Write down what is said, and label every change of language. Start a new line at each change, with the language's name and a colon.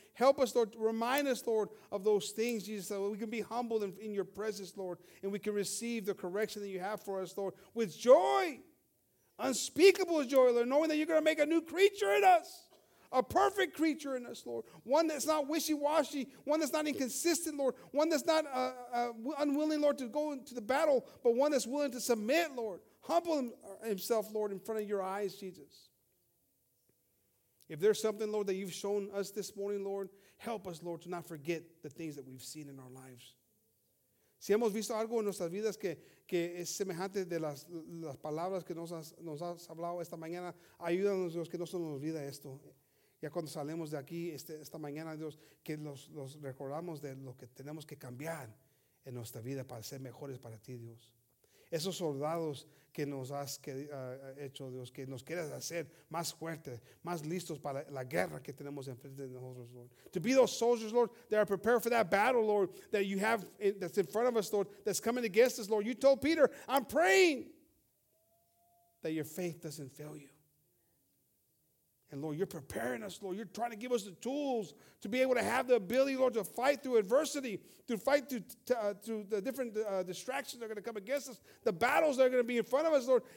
English: Help us, Lord, remind us, Lord, of those things, Jesus, so we can be humble in your presence, Lord, and we can receive the correction that you have for us, Lord, with joy, unspeakable joy, Lord, knowing that you're going to make a new creature in us, a perfect creature in us, Lord, one that's not wishy-washy, one that's not inconsistent, Lord, one that's not unwilling, Lord, to go into the battle, but one that's willing to submit, Lord, humble himself, Lord, in front of your eyes, Jesus. If there's something, Lord, that you've shown us this morning, Lord, help us, Lord, to not forget the things that we've seen in our lives.
Spanish: Si hemos visto algo en nuestras vidas que es semejante de las palabras que nos has hablado esta mañana, ayúdanos, Dios, que no se nos olvide esto. Ya cuando salemos de aquí esta mañana, Dios, que los recordamos de lo que tenemos que cambiar en nuestra vida para ser mejores para ti, Dios. Esos soldados que nos has hecho, Dios, que nos quieras hacer más fuertes, más listos para la guerra que tenemos enfrente de nosotros, Lord.
English: To be those soldiers, Lord, that are prepared for that battle, Lord, that you have that's in front of us, Lord, that's coming against us, Lord. You told Peter, I'm praying that your faith doesn't fail you. And, Lord, you're preparing us, Lord. You're trying to give us the tools to be able to have the ability, Lord, to fight through adversity, to fight through the different distractions that are going to come against us, the battles that are going to be in front of us, Lord.